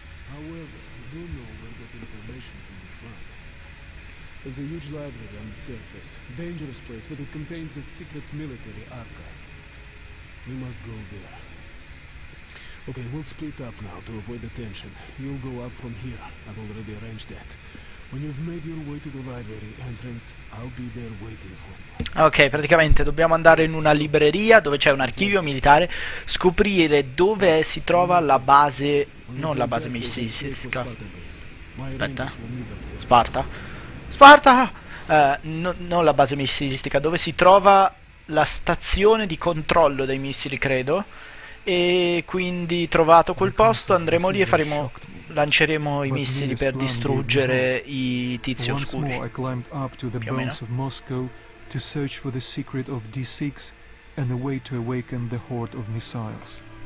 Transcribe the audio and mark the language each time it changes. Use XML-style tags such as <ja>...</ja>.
<en>However, we do know where that information can be found. There's a huge library on the surface, dangerous place, but it contains a secret military archive. We must go there. Okay, we'll split up now to avoid attention. You'll go up from here. I've already arranged that. When you've made your way to the library entrance, I'll be there waiting for you.</en> <it>Ok, praticamente dobbiamo andare in una libreria dove c'è un archivio militare, scoprire dove si trova la base, non la base missilistica. Aspetta. Sparta. Sparta! Non la base missilistica, dove si trova la stazione di controllo dei missili, credo. E quindi, trovato quel posto, andremo lì e faremo... lanceremo i missili per distruggere i tizi oscuri. Più o meno.</it> <en>The bones of Moscow to search for the secret of D6 and a way to awaken the horde of missiles.</en>